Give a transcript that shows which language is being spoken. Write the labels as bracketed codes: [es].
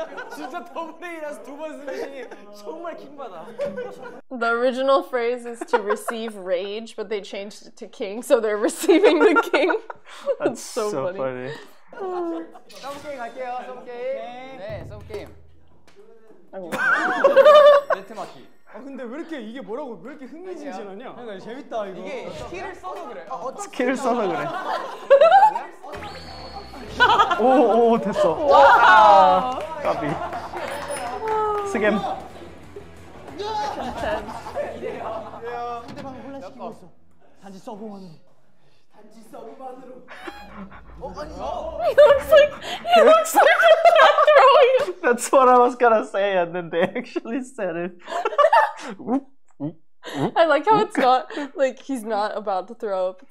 [ko] 진짜 더블레이라서 두 번 승리. 정말 킹받아. [en] The original phrase is to receive rage, but they changed it to king, so they're receiving the king. That's so funny. [ko] 서브 게임 갈게요. 서브 게임. 네, 서브 게임. 네트 마키. 아 근데 왜 이렇게 이게 뭐라고 왜 이렇게 흥미진진하냐? 그러니까 재밌다 이거. 이게 스킬을 써서 그래. 아, 스킬을 써서 그래. 오, 오, 됐어. 와! 아, 까비. 스겜. 이래요. 상대방을 혼란시키고 있어. 단지 서브만으로. 단지 서브만으로. [en] He looks like he looks like not throwing. That's what I was gonna say, and then they actually said it. I like how it's not like he's not about to throw up.